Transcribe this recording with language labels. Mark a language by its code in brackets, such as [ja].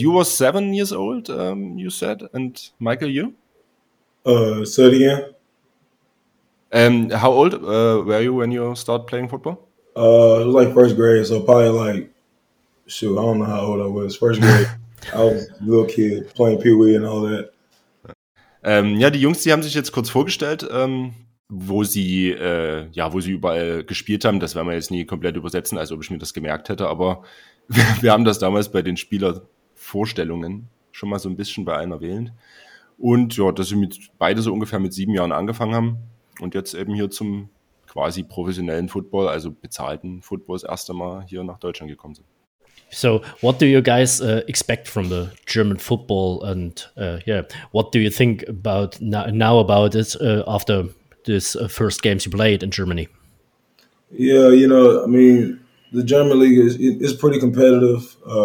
[en] You were 7 years old, you said, and Michael, you? 30, yeah. How old were you when you start playing football? It was like first grade, so probably like, shoot, I don't know how old I was, first grade. I was a little kid playing Pee-wee and all that. [de] Die Jungs, die haben sich jetzt kurz vorgestellt, wo sie überall gespielt haben. Das werden wir jetzt nie komplett übersetzen, als ob ich mir das gemerkt hätte. Aber wir haben das damals bei den Spielervorstellungen schon mal so ein bisschen bei allen erwähnt. Und ja, dass sie beide so ungefähr mit 7 Jahren angefangen haben und jetzt eben hier zum quasi professionellen Football, also bezahlten Football, das erste Mal hier nach Deutschland gekommen sind. [en] So, what do you guys expect from the German football? And what do you think about now about it after these first games you played in Germany? Yeah, you know, I mean, the German league is it's pretty competitive.